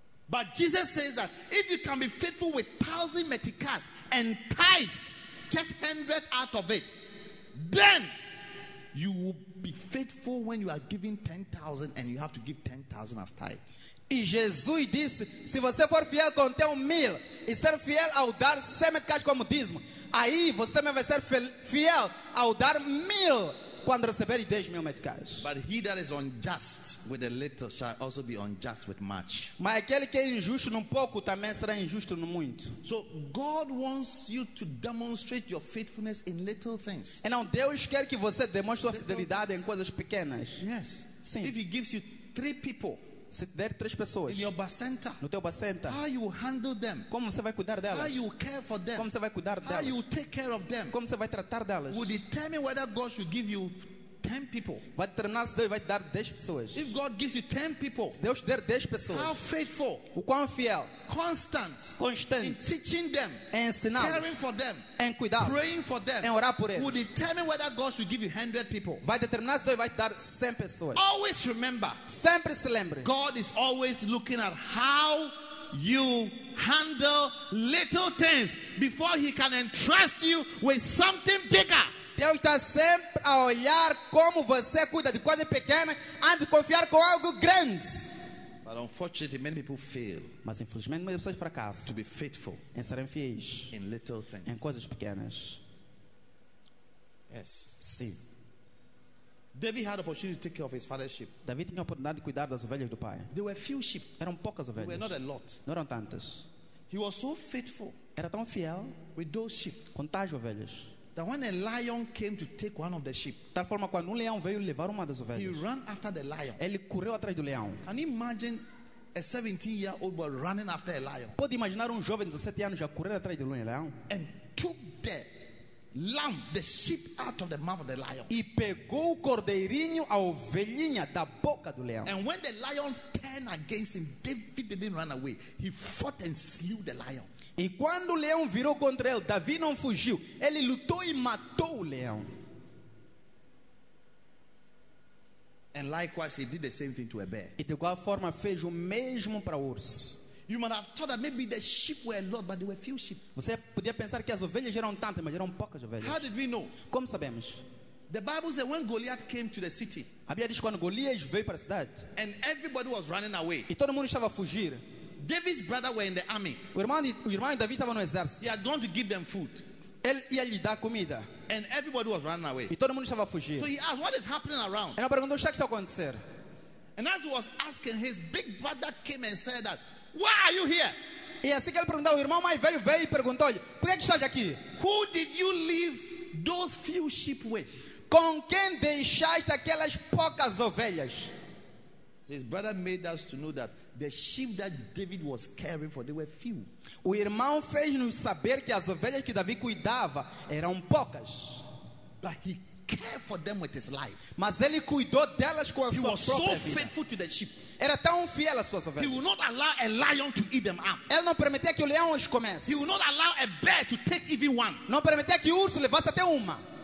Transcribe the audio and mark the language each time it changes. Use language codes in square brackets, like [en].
[en] But Jesus says that if you can be faithful with 1,000 meticais and tithe just 100 out of it, then you will be faithful when you are giving 10,000 and you have to give 10,000 as tithe. [pt] E Jesus disse, se você for fiel com teu 1,000 e ser fiel ao dar 100 meticais como dízimo, aí você também vai ser fiel ao dar 1,000 quando receber 10,000 meticais. [en] But he that is unjust with a little shall also be unjust with much. [pt] Mas aquele que é injusto no pouco também será injusto no muito. [en] So God wants you to demonstrate your faithfulness in little things. [pt] E não, Deus quer que você demonstre sua fidelidade em coisas pequenas. [en] Yes. [pt] Sim. [en] If he gives you three people, [pt] se der três pessoas [en] in your bacenta, [pt] no teu bacenta, [en] how you handle them, [pt] como você vai cuidar delas, [en] how you care for them, [pt] como você vai cuidar delas, [en] how you take care of them, [pt] como você vai tratar delas, [en] will determine whether God should give you 10 people. [pt] Vai determinar se Deus vai te dar 10 pessoas. [en] If God gives you 10 people, [pt] se Deus der 10 pessoas, [en] how faithful, [pt] o quão fiel, [en] constant, in teaching them, [pt] ensinar, [en] caring for them, [pt] em cuidar, [en] praying for them, [pt] em orar por eles, [en] will determine whether God should give you 100 people. [pt] Vai determinar se Deus vai te dar 100 pessoas. [en] Always remember, [pt] sempre se lembre, [en] God is always looking at how you handle little things before he can entrust you with something bigger. [pt] Deus está sempre a olhar como você cuida de coisas pequenas antes de confiar com algo grande. [en] But unfortunately, many people fail. [pt] Mas infelizmente muitas pessoas fracassam. [en] To be faithful. [pt] Em serem fiéis. [en] In little things. [pt] Em coisas pequenas. [en] Yes. [pt] Sim. [en] David had opportunity to take care of his father's sheep. [pt] David tinha oportunidade de cuidar das ovelhas do pai. [en] There were few sheep. [pt] Eram poucas ovelhas. [en] There were not a lot. [pt] Não eram tantas. [en] He was so faithful. [pt] Era tão fiel. [en] With those sheep. [pt] Com tais ovelhas. [en] That when a lion came to take one of the sheep, [pt] tal forma quando leão veio levar uma das ovelhas, [en] he ran after the lion. [pt] Ele correu atrás do leão. [en] Can you imagine a 17-year-old boy running after a lion? [pt] Pode imaginar jovem de 17 anos já correr atrás do leão? [en] And took the lamb, the sheep, out of the mouth of the lion. [pt] E pegou o cordeirinho, a ovelhinha, da boca do leão. [en] And when the lion turned against him, David didn't run away. He fought and slew the lion. [pt] E quando o leão virou contra ele, Davi não fugiu. Ele lutou e matou o leão. [en] And likewise, he did the same thing to a bear. [pt] E de igual forma fez o mesmo para o urso. [en] You might have thought that maybe the sheep were a lot, but there were few sheep. [pt] Você podia pensar que as ovelhas eram tantas, mas eram poucas ovelhas. [en] How did we know? [pt] Como sabemos? [en] The Bible says when Goliath came to the city. [pt] A Bíblia diz quando Golias veio para a cidade. [en] And everybody was running away. [pt] E todo mundo estava a fugir. [en] David's brother were in the army. [pt] O irmão de Davi estava no exército. [en] He had gone to give them food. [pt] Ele ia lhe dar comida. [en] And everybody was running away. [pt] E todo mundo estava a fugir. [en] So he asked, "What is happening around?" [pt] Ele perguntou o que está a acontecer. [en] And as he was asking, his big brother came and said that, "Why are you here?" [pt] E assim que ele perguntou, o irmão mais velho veio e perguntou-lhe, "Por que estás aqui?" [en] "Who did you leave those few sheep with?" [pt] Com quem deixaste aquelas poucas ovelhas? [en] His brother made us to know that the sheep that David was caring for, they were few. [pt] O irmão fez-nos saber que as ovelhas que Davi cuidava eram poucas. [en] But he cared for them with his life. [pt] Mas ele cuidou delas com a [en] he [pt] sua [en] was [pt] própria [en] so [pt] vida. [en] Faithful to the sheep. [pt] Era tão fiel às suas ovelhas. [en] He will not allow a lion to eat them up. [pt] Ele não permitia que o leão os comesse. [en] He will not allow a bear to take even one. [pt] Não permitia que o urso levasse até uma.